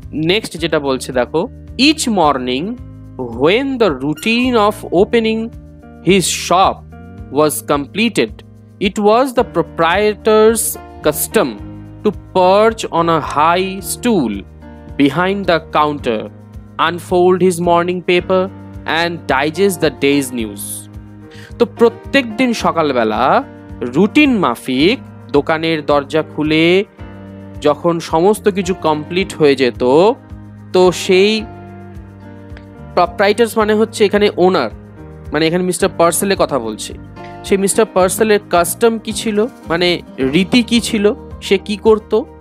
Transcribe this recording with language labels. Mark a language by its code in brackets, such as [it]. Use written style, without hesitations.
[bn] Next যেটা বলছে দেখো, [en] Each morning when the routine of opening his shop was completed, it was the proprietor's custom to perch on a high stool behind the counter, unfold his morning paper and digest the day's news. [bn] তো প্রত্যেক দিন সকালবেলা routine মাফিক দোকানের দরজা খুলে যখন সমস্ত কিছু কমপ্লিট হয়ে যেত তো সেই প্রপ্রাইটার্স মানে হচ্ছে এখানে ওনার মানে এখানে মিস্টার পার্সেলের কথা বলছে সেই মিস্টার পার্সেলের কাস্টম কি ছিল মানে রীতি কি ছিল সে কি করত